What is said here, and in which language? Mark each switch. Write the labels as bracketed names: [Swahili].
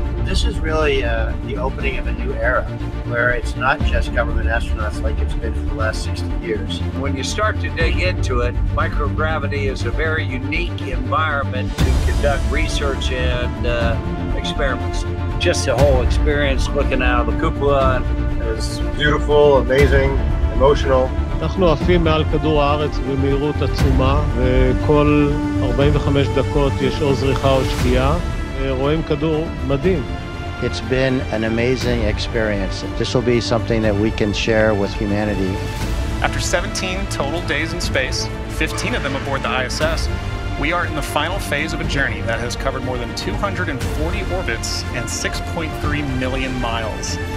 [English] This is really the opening of a new era where it's not just government astronauts like it's been for the last 60 years. When you start to dig into it, microgravity is a very unique environment to conduct research and experiments. Just the whole experience looking out of the cupola is beautiful, amazing. [Hebrew] אנחנו עפים מעל כדור הארץ במהירות עצומה, וכל 45 דקות יש או זריחה או שקיעה. רואים כדור מדהים. [English] It's been an amazing experience. This will be something that we can share with humanity. After 17 total days in space, 15 of them aboard the ISS, we are in the final phase of a journey that has covered more than 240 orbits and 6.3 million miles.